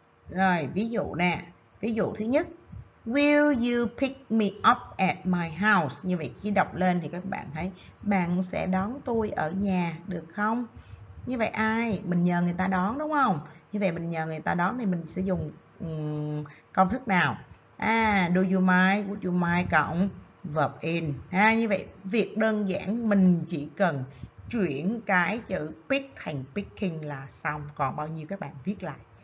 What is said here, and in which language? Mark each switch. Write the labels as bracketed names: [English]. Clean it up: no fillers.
[Vietnamese] Rồi, ví dụ nè. Ví dụ thứ nhất, [English] will you pick me up at my house? [Vietnamese] Như vậy khi đọc lên thì các bạn thấy bạn sẽ đón tôi ở nhà được không? Như vậy ai? Mình nhờ người ta đón đúng không? Như vậy mình nhờ người ta đón thì mình sẽ dùng công thức nào? [English] À, do you mind, would you mind cộng verb in. [Vietnamese] À, như vậy việc đơn giản mình chỉ cần chuyển cái chữ pick thành picking là xong. Còn bao nhiêu các bạn viết lại?